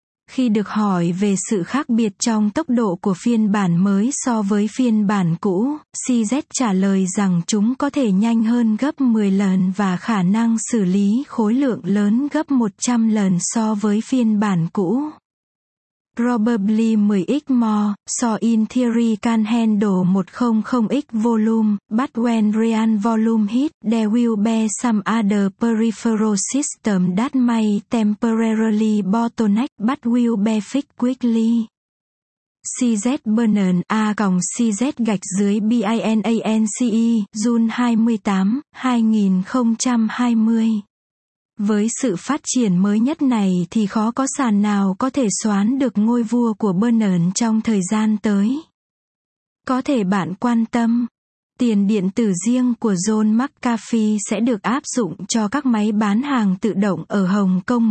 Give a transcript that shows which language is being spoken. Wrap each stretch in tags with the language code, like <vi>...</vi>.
<vi>Khi được hỏi về sự khác biệt trong tốc độ của phiên bản mới so với phiên bản cũ, CZ trả lời rằng chúng có thể nhanh hơn gấp 10 lần và khả năng xử lý khối lượng lớn gấp 100 lần so với phiên bản cũ.</vi> <en>Probably 10x more, so in theory can handle 100x volume, but when real volume hit, there will be some other peripheral system that may temporarily bottleneck, but will be fixed quickly.</en> <vi>CZ Burnern A-CZ gạch dưới BINANCE,</vi> <en>June 28, 2020.</en> <vi>Với sự phát triển mới nhất này thì khó có sàn nào có thể xoán được ngôi vua của Burnern trong thời gian tới. Có thể bạn quan tâm, tiền điện tử riêng của John McAfee sẽ được áp dụng cho các máy bán hàng tự động ở Hồng Kông.</vi>